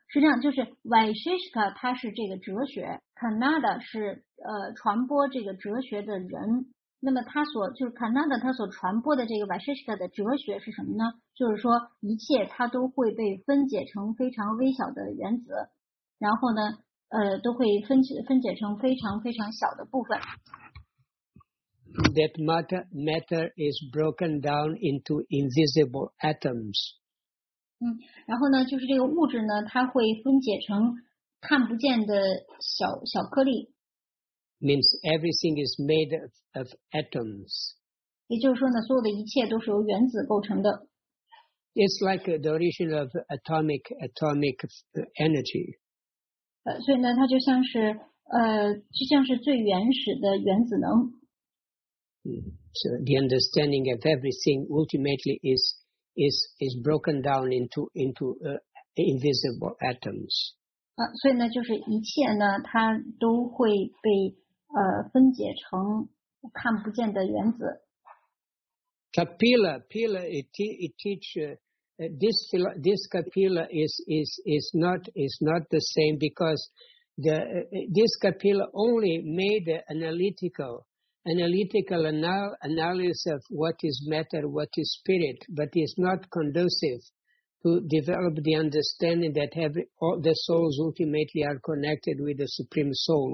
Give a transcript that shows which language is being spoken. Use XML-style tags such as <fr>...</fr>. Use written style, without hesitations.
<zh>实际上就是 Vaisheshika 他是这个哲学， Kanada 是传播这个哲学的人。那么他所就是 Kanada 他所传播的这个 Vaisheshika 的哲学是什么呢？就是说一切它都会被分解成非常微小的原子，然后呢都会分解成非常非常小的部分。</zh> <en>That matter is broken down into invisible atoms.</en> <zh>然后呢，就是这个物质呢，它会分解成看不见的小颗粒。</zh> <en>Means everything is made of atoms.</en> <zh>也就是说呢，所有的一切都是由原子构成的。</zh> <en>It's like the origin of atomic energy.</en> <zh>所以呢，它就像是就像是最原始的原子能。</zh> <en>So the understanding of everything ultimately is broken down into invisible atoms.</en> <zh>所以呢，就是一切呢，它都会被分解成看不见的原子。</zh> <en>Kapila, it teach. This kapila is not the same because this kapila only made analytical analysis of what is matter, what is spirit, but is not conducive to develop the understanding that the souls ultimately are connected with the supreme soul.</en>